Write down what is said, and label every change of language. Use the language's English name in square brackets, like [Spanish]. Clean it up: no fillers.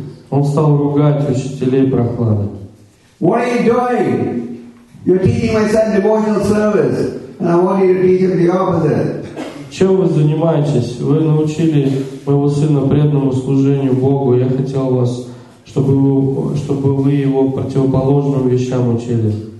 [Russian] Он стал ругать учителей Прохлады. [English] What are you doing? You're teaching my son devotional service, and I want you to teach him the opposite. [Russian] Чем вы занимаетесь? Вы научили моего сына преданному служению Богу. Я хотел вас, чтобы вы его противоположным вещам учили.